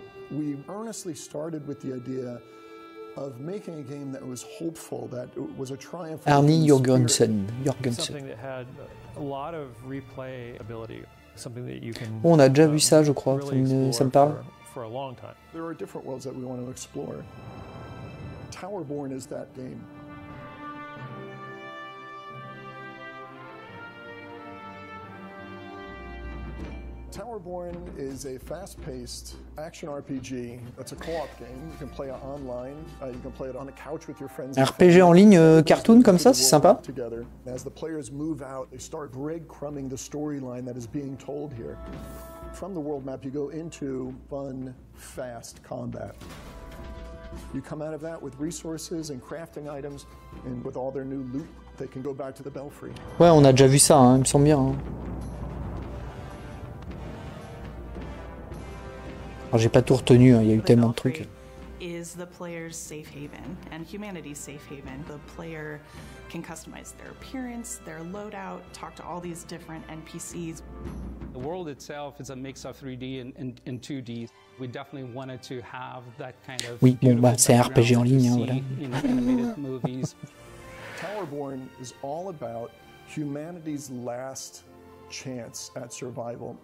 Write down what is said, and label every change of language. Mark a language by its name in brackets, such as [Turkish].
[English] We earnestly started with the idea of making a game that was hopeful, that was a triumph. Arnie Jorgensen. Jorgensen. [French] Bon, on a déjà vu ça, je crois. Ça me parle. [English] There are different worlds that we want to explore. Towerborn is that game. Towerborn is a fast-paced action RPG. It's a co-op game. You can play it online. You can play it on a couch with your friends. [French] RPG en ligne, cartoon comme ça, c'est sympa. [English] As the players move out, they start breadcrumbing the storyline that is being told here. From the world map, you go into fun, fast combat. You come out of that with resources and crafting items, and with all their new loot, they can go back to the Belfry. [French] Ouais, on a déjà vu ça. Hein. Il me semble bien. Hein. Alors, j'ai pas tout retenu, hein, y a eu tellement de trucs. [English] Is the player's safe haven and humanity's safe haven. The player can customize their appearance, their loadout, talk to all these different NPCs. The world itself is a mix of 3D and 2D. We definitely wanted to have that kind of. [French] Oui, bon, bah, c'est un RPG en ligne, hein, voilà. [English] Towerborn is all about humanity's last chance at survival.